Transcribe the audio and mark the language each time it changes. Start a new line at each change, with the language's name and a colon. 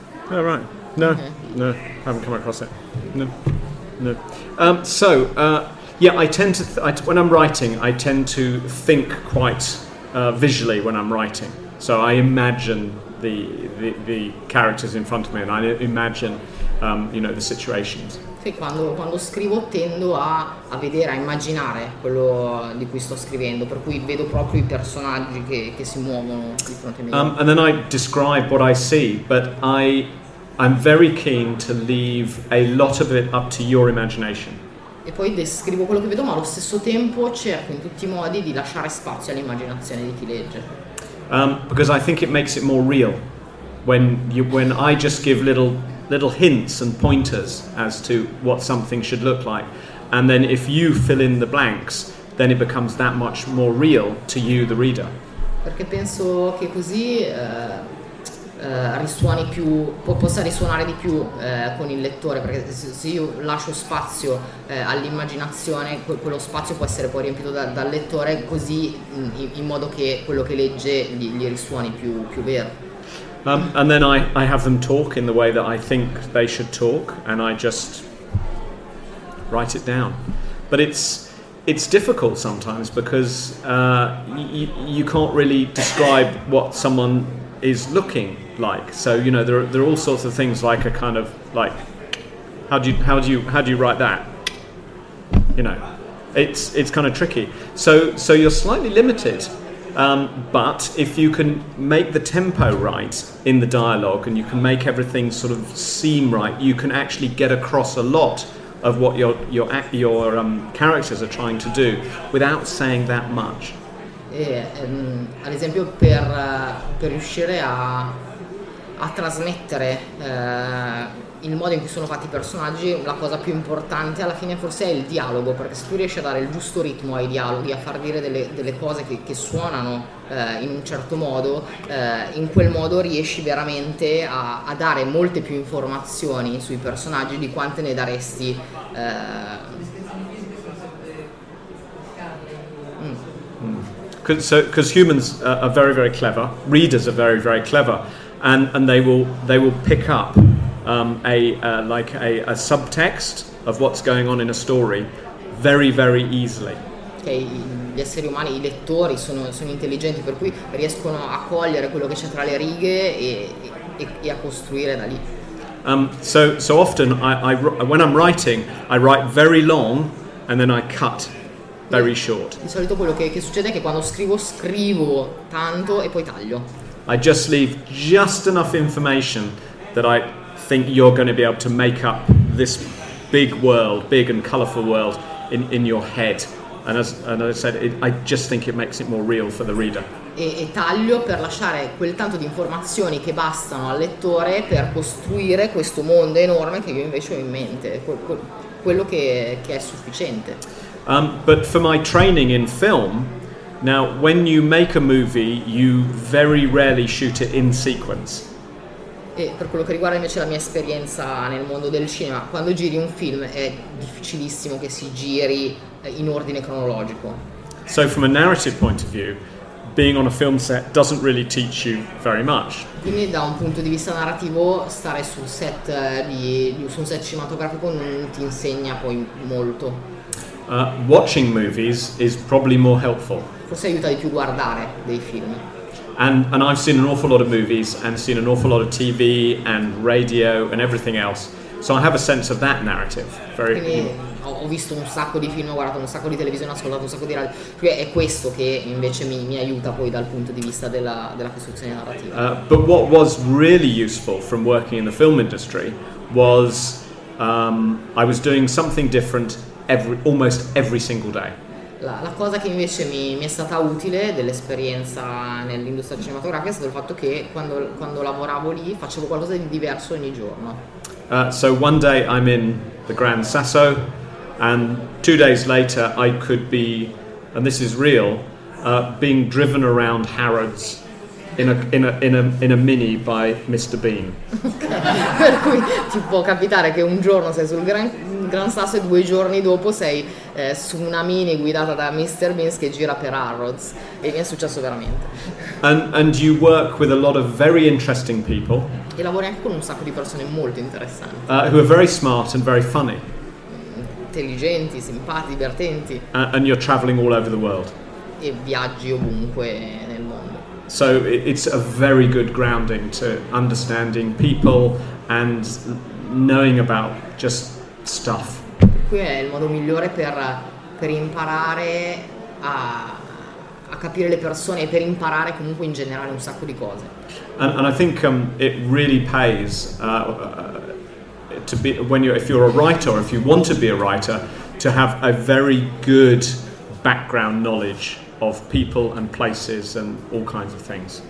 English: Oh, right. No, no, I haven't come across it. No, no. When I'm writing, I tend to think quite visually when I'm writing. So I imagine the characters in front of me, and I imagine, the situations.
Italian: Sì, quando scrivo tendo a vedere, a immaginare quello di cui sto scrivendo, per cui vedo proprio i personaggi che si muovono di fronte a me.
English: And then I describe what I see, but I'm very keen to leave a lot of it up to your imagination.
Italian: E poi descrivo quello che vedo, ma allo stesso tempo cerco in tutti i modi di lasciare spazio all'immaginazione di chi legge.
English: Because I think it makes it more real when I just give little hints and pointers as to what something should look like, and then if you fill in the blanks, then it becomes that much more real to you, the reader.
Italian: perché penso che così risuoni più, possa risuonare di più con il lettore, perché se io lascio spazio all'immaginazione, quello spazio può essere poi riempito dal lettore, così in modo che quello che legge gli risuoni più vero.
English: And then I have them talk in the way that I think they should talk, and I just write it down. But it's difficult sometimes because you can't really describe what someone is looking like. So you know there are all sorts of things, like a kind of like how do you write that? You know, it's kind of tricky. So you're slightly limited. But if you can make the tempo right in the dialogue and you can make everything sort of seem right, you can actually get across a lot of what your characters are trying to do without saying that much.
Italian: Ad esempio per riuscire a trasmettere il modo in cui sono fatti i personaggi, la cosa più importante alla fine forse è il dialogo, perché se tu riesci a dare il giusto ritmo ai dialoghi, a far dire delle cose che suonano in un certo modo, in quel modo riesci veramente a dare molte più informazioni sui personaggi di quante ne daresti
English: Because humans are very very clever, readers are very very clever, and they will pick up a subtext of what's going on in a story very very easily.
Italian: Okay, gli esseri umani, i lettori sono intelligenti, per cui riescono a cogliere quello che c'è tra le righe e a costruire da lì.
English: So often I when I'm writing, I write very long and then I cut very short.
Italian: Di solito quello che succede è che quando scrivo tanto e poi taglio.
English: I just leave just enough information that I think you're going to be able to make up this big world, big and colourful world in your head, and as I said, I just think it makes it more real for the reader.
Italian: E taglio per lasciare quel tanto di informazioni che bastano al lettore per costruire questo mondo enorme che io invece ho in mente, quello che è sufficiente.
English: But for my training in film, now when you make a movie, you very rarely shoot it in sequence.
Italian: E per quello che riguarda invece la mia esperienza nel mondo del cinema, quando giri un film è difficilissimo che si giri in ordine cronologico.
English: So from a narrative point of view, being on a film set doesn't really teach you very much.
Italian: Quindi da un punto di vista narrativo, stare sul set su un set cinematografico non ti insegna poi molto.
English: Watching movies is probably more helpful.
Italian: Forse aiuta di più guardare dei film.
English: And I've seen an awful lot of movies and seen an awful lot of TV and radio and everything else, so I have a sense of that narrative. Very.
Italian: Ho visto un sacco di film, ho guardato un sacco di televisione, ho ascoltato un sacco di radio. Quindi è questo che invece mi aiuta poi dal punto di vista della costruzione narrativa.
English: But what was really useful from working in the film industry was I was doing something different almost every single day.
Italian: La cosa che invece mi è stata utile dell'esperienza nell'industria cinematografica è stato il fatto che quando lavoravo lì facevo qualcosa di diverso ogni giorno.
English: So one day I'm in the Grand Sasso and 2 days later I could be, and this is real, being driven around Harrods in a mini by Mr. Bean.
Italian: Per cui ti può capitare che un giorno sei sul Gran Sasso e 2 giorni dopo sei su una mini guidata da Mr. Bean che gira per Harrods, e mi è successo veramente.
English: And you work with a lot of very interesting people.
Italian: E lavori anche con un sacco di persone molto interessanti.
English: Who are very smart and very funny.
Italian: Intelligenti, simpatici, divertenti.
English: And you're traveling all over the world.
Italian: E viaggi ovunque nel mondo.
English: So it's a very good grounding to understanding people and knowing about just stuff.
Italian: Qui è il modo migliore per imparare a capire le persone e per imparare comunque in generale un sacco di cose.
English: And I think it really pays to be when you if you're a writer or if you want to be a writer to have a very good background knowledge of people and places and all kinds of things.